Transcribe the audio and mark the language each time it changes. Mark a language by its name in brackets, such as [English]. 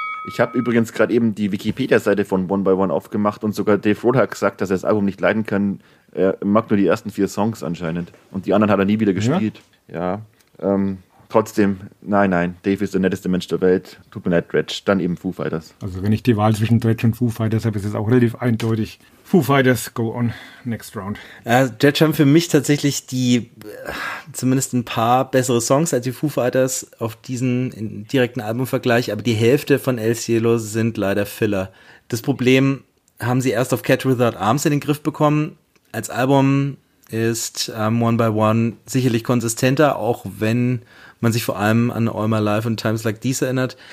[German] Ich habe übrigens gerade eben die Wikipedia-Seite von One by One aufgemacht und sogar Dave Rohl hat gesagt, dass er das Album nicht leiden kann. Er mag nur die ersten 4 Songs anscheinend und die anderen hat er nie wieder gespielt. Ja. Trotzdem, nein, Dave ist der netteste Mensch der Welt. Tut mir leid, Dredge, dann eben Foo Fighters. Also wenn ich die Wahl zwischen Dredge und Foo Fighters habe, ist es auch relativ eindeutig. [English] Foo Fighters, go on, next round. [German] Dredge haben für mich tatsächlich zumindest ein paar bessere Songs als die Foo Fighters auf diesen direkten Albumvergleich, aber die Hälfte von El Cielo sind leider Filler. Das Problem haben sie erst auf Catch Without Arms in den Griff bekommen. Als Album ist One by One sicherlich konsistenter, auch wenn man sich vor allem an All My Life und Times Like These erinnert.